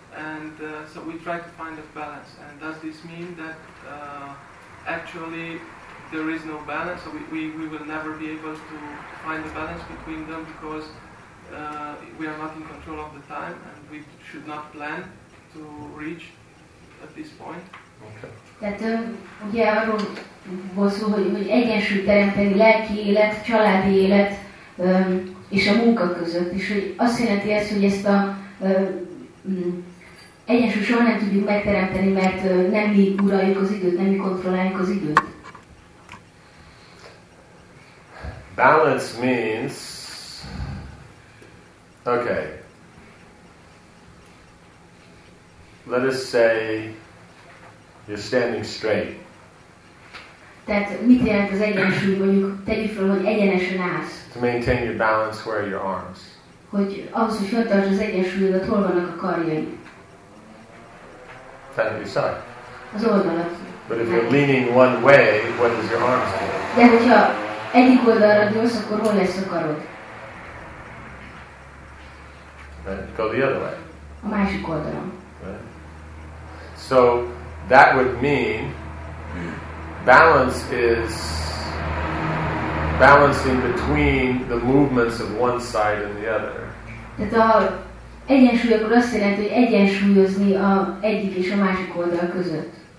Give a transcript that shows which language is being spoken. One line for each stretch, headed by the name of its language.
English: And so we tried to find a balance. And does this mean that actually there is no balance? So we will never be able to find a balance between them because we are not in control of the time and we should not plan to reach at this point. Okay.
Hungarian: Tehát ugye arról volt szó, hogy egyensúlyt teremteni lelki élet, családi élet és a munka között. És hogy azt jelenti ez, hogy ezt a egyensúlyt soha nem tudjuk megteremteni, mert nem mi uraljuk az időt, nem mi kontrolláljuk az időt.
English: Balance means... Okay. Let us say... You're standing straight.
Hungarian: Tehát mit jelent az egyensúly, mondjuk tegyük fel, hogy egyenesen állsz.
English: To maintain your balance, where are your arms?
Hungarian: Hogy ahhoz, hogy föltartsd az egyensúlyodat, hol vannak a karjai? Tehát a
English: side.
Hungarian: Az oldalat.
English: But if you're leaning one way, what does your arms do?
Hungarian: De hogyha egyik oldalra dőlsz, akkor hol lesz a karod?
English: Right. Go the other way.
Hungarian: A másik oldalon.
English: Right. So, that would mean balance is balancing between the movements of one side and the other.
Hungarian: Tehát a egyensúly akkor azt jelenti, hogy egyensúlyozni a egyik és a másik oldal között.